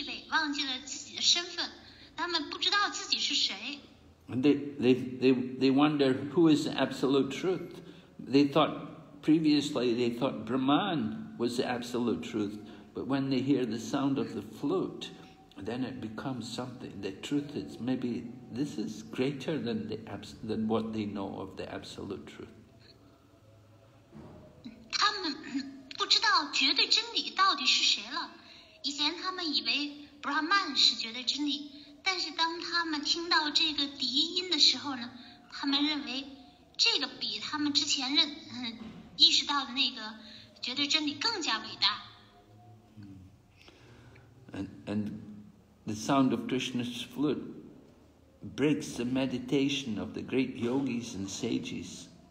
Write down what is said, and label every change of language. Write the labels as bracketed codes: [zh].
[zh] 忘记了自己的身份，他们不知道自己是谁。 [en] They wonder who is the absolute truth. They thought previously they thought Brahman was the absolute truth, but when they hear the sound of the flute, then it becomes something. The truth is maybe this is greater than than what they know of the absolute truth. [zh] 他们不知道绝对真理到底是谁了。以前他们以为。Brahman 是绝对真理，但是当他们听到这个笛音的时候呢，他们认为这个比他们之前意识到的那个绝对真理更加伟大。 [en] And the sound of Krishna's flute breaks the meditation of the great yogis and sages.